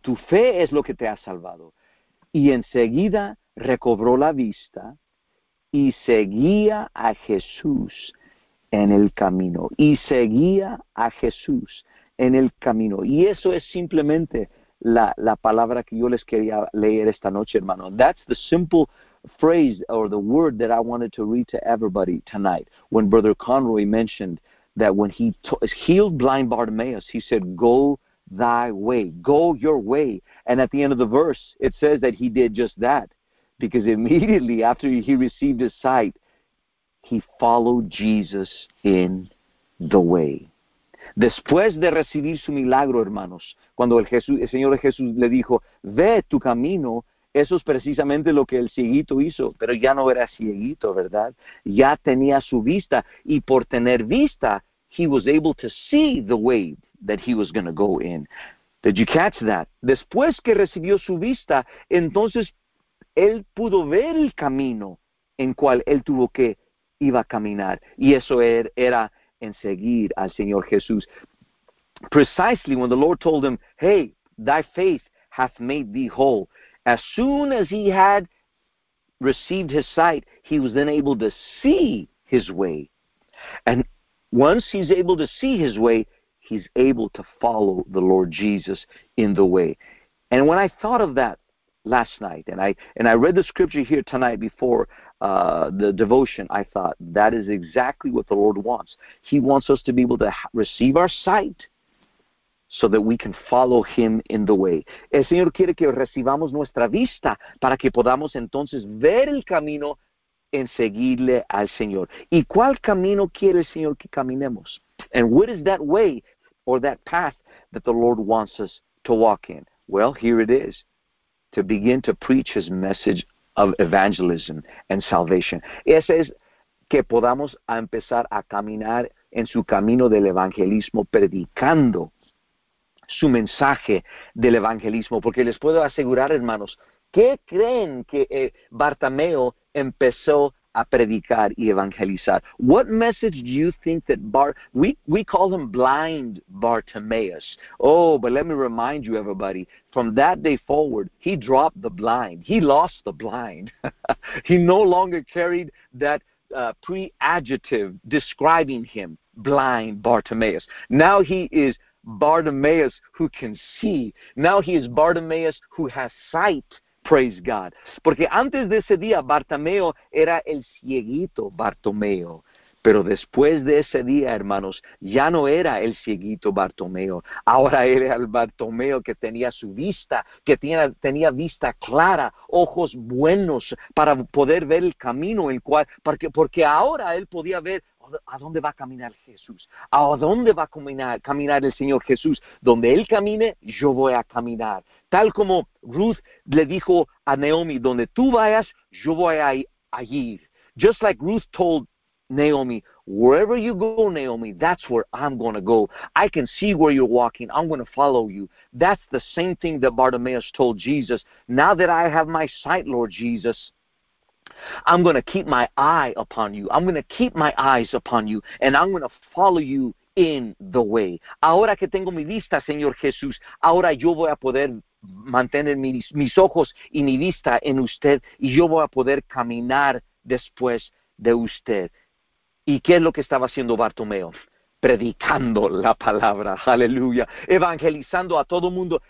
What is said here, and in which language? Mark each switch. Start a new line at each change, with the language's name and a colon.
Spanish: Tu fe es lo que te ha salvado. Y enseguida recobró la vista y seguía a Jesús en el camino. Y seguía a Jesús en el camino. Y eso es simplemente la palabra que yo les quería leer esta noche, hermano.
English: That's the simple phrase or the word that I wanted to read to everybody tonight. When Brother Conroy mentioned that when he healed blind Bartimaeus, he said, go thy way, go your way. And at the end of the verse, it says that he did just that. Because immediately after he received his sight, he followed Jesus in the way.
Spanish: Después de recibir su milagro, hermanos, cuando el Señor Jesús le dijo, ve tu camino, eso es precisamente lo que el cieguito hizo, pero ya no era cieguito, ¿verdad? Ya tenía su vista, y por tener vista,
English: he was able to see the way that he was going to go in. Did you catch that?
Spanish: Después que recibió su vista, entonces él pudo ver el camino en cual él tuvo que iba a caminar, y eso era en seguir al Señor Jesús.
English: Precisely when the Lord told him, hey, thy faith hath made thee whole. As soon as he had received his sight, he was then able to see his way. And once he's able to see his way, he's able to follow the Lord Jesus in the way. And when I thought of that last night, and I read the scripture here tonight before the devotion, I thought, that is exactly what the Lord wants. He wants us to be able to receive our sight so that we can follow Him in the way.
Spanish: El Señor quiere que recibamos nuestra vista para que podamos entonces ver el camino en seguirle al Señor. ¿Y cuál camino quiere el Señor que caminemos?
English: And what is that way or that path that the Lord wants us to walk in? Well, here it is. To begin to preach His message of evangelism and salvation.
Spanish: Ese es que podamos empezar a caminar en su camino del evangelismo, predicando su mensaje del evangelismo. Porque les puedo asegurar, hermanos, ¿qué creen que Bartimeo empezó a predicar y evangelizar?
English: What message do you think that we call him blind Bartimaeus. Oh, but let me remind you, everybody, from that day forward, he dropped the blind. He lost the blind. He no longer carried that pre-adjective describing him, blind Bartimaeus. Now he is Bartimaeus who can see. Now he is Bartimaeus who has sight, Praise God.
Spanish: Porque antes de ese día, Bartimeo era el cieguito Bartimeo. Pero después de ese día, hermanos, ya no era el cieguito Bartimeo. Ahora era el Bartimeo que tenía su vista, que tenía vista clara, ojos buenos para poder ver el camino, el cual, porque ahora él podía ver a dónde va a caminar Jesús, a dónde va a caminar el Señor Jesús. Donde él camine, yo voy a caminar. Tal como Ruth le dijo a Naomi, donde tú vayas, yo voy a ir.
English: Just like Ruth told Naomi, wherever you go, Naomi, that's where I'm going to go. I can see where you're walking. I'm going to follow you. That's the same thing that Bartimaeus told Jesus. Now that I have my sight, Lord Jesus, I'm going to keep my eye upon you. I'm going to keep my eyes upon you, and I'm going to follow you in the way.
Spanish: Ahora que tengo mi vista, Señor Jesús, ahora yo voy a poder mantener mis ojos y mi vista en usted, y yo voy a poder caminar después de usted. ¿Y qué es lo que estaba haciendo Bartimeo? Predicando la palabra, aleluya, evangelizando a todo mundo.